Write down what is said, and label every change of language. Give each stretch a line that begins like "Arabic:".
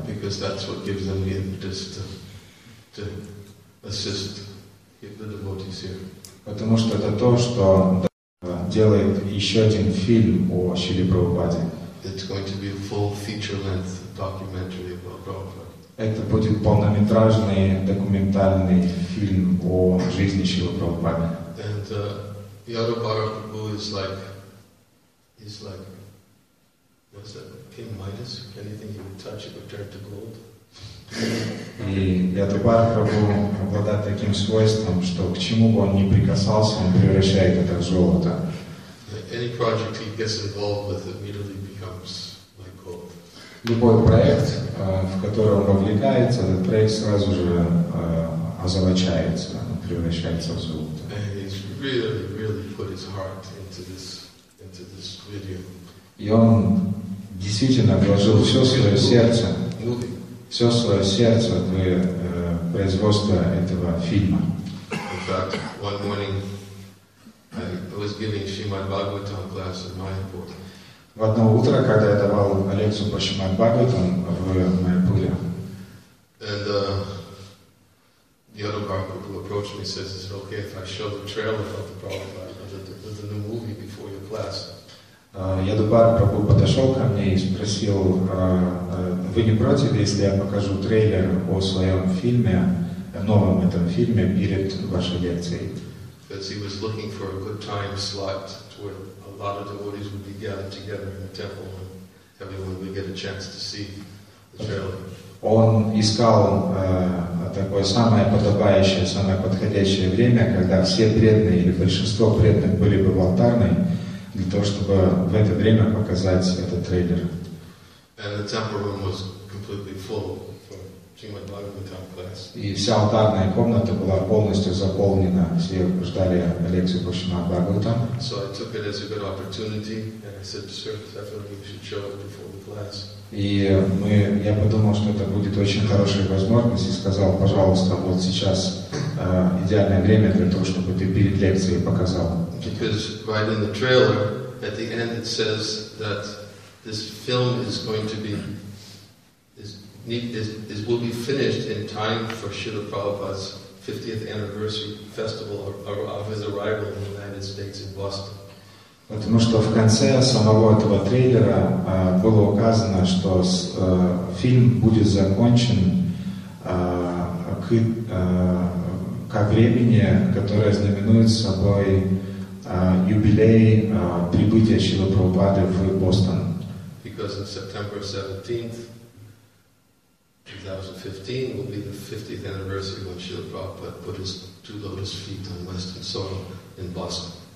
English: Because that's what gives them the impetus to assist the devotees here.
Russian: Потому что это то, что делает еще один фильм о Шриле Прабхупаде.
English: It's going to be a full feature-length documentary about Prabhupada.
Russian: Это будет полнометражный документальный фильм о жизни Шрилы Прабхупады.
English: And the other Prabhu is like what's that? King Midas? Anything you would touch it would turn to gold.
Russian: И Ядубар Прабху обладает таким свойством, что к чему бы он ни прикасался, он превращает это в золото.
English: Any project he gets involved with immediately becomes like gold.
Russian: Любой проект, в который он вовлекается, этот проект сразу же озолочается, он превращается в золото.
English: Really, really put his heart into this video.
Russian: И он действительно вложил все свое сердце в производство этого фильма.
English: In fact, one morning I was giving Shrimad Bhagavatam class in Mayapur.
Russian: В одно утро, когда я давал лекцию по Шримад Бхагаватам в Майяпуре.
English: The other Bhagavad who approached me says, "Is it okay if I show the trailer of the Prabhupada, the new movie before your class?"
Russian: Ядубар Прабху подошел ко мне и спросил, вы не против, если я покажу трейлер о своем фильме, о новом этом фильме перед вашей лекцией?
English: Because he was looking for a good time slot to where a lot of devotees would be gathered together in the temple and everyone would get a chance to see the trailer.
Russian: Он искал такое самое подобающее, самое подходящее время, когда все преданные или большинство преданных были бы в алтарной, для того, чтобы в это время показать этот трейлер.
English: And the temple room was completely full for Shrimad Bhagavatam class.
Russian: И вся алтарная комната была полностью заполнена, все ждали лекции по Шримад Бхагаватам.
English: So I took it as a good opportunity and I said, "Sir, definitely you should show it before the class."
Russian: Я подумал, что это будет очень хорошая возможность, и сказал, пожалуйста, вот сейчас идеальное время для того, чтобы ты перед лекцией показал.
English: Because right in the trailer, at the end it says that this film will be finished in time for Srila Prabhupada's 50th anniversary festival of his arrival in the United States in Boston.
Russian: Потому что в конце самого этого трейлера было указано, что фильм будет закончен ко времени, которое знаменует собой юбилей прибытия Шрилы Прабхупады в Бостон.
English: Because on September 17th, 2015, will be the 50th anniversary when Srila Prabhupada put his two lotus feet on Western soil in Boston.